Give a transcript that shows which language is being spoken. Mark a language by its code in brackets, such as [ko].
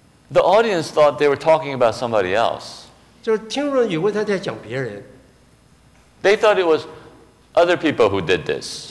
[en] The audience thought they were talking about somebody else. [zh] 就是听众以为他在讲别人。 [en] They thought it was other people who did this.